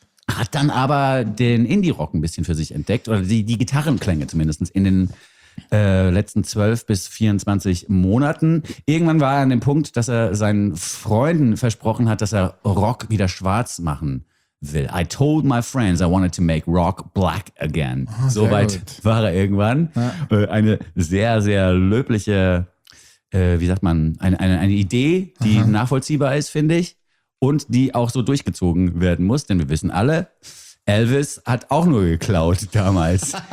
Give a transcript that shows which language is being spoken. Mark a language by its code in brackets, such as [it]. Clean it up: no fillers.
[de] Hat dann aber den Indie-Rock ein bisschen für sich entdeckt oder die Gitarrenklänge zumindest in den letzten 12 bis 24 Monaten. Irgendwann war er an dem Punkt, dass er seinen Freunden versprochen hat, dass er Rock wieder schwarz machen will. [en] I told my friends I wanted to make rock black again. [de] Oh, soweit war er irgendwann. Ja. Eine sehr, sehr löbliche, wie sagt man, eine Idee, die nachvollziehbar ist, finde ich. Und die auch so durchgezogen werden muss, denn wir wissen alle, Elvis hat auch nur geklaut damals.